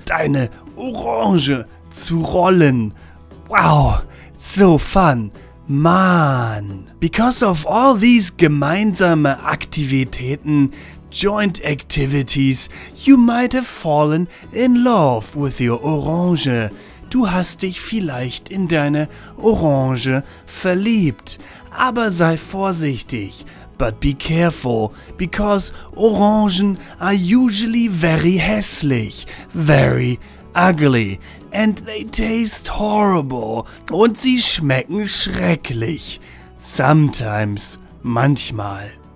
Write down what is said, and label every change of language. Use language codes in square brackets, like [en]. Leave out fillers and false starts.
[de] Deine Orange zu rollen. [en] Wow, so fun. [de] Man. [en] Because of all these [de] gemeinsame Aktivitäten, [en] joint activities, you might have fallen in love with your orange. [de] Du hast dich vielleicht in deine Orange verliebt. Aber sei vorsichtig. [en] But be careful, because Orangen are usually very [de] hässlich, [en] very ugly, and they taste horrible. [de] Und sie schmecken schrecklich. Sometimes, manchmal.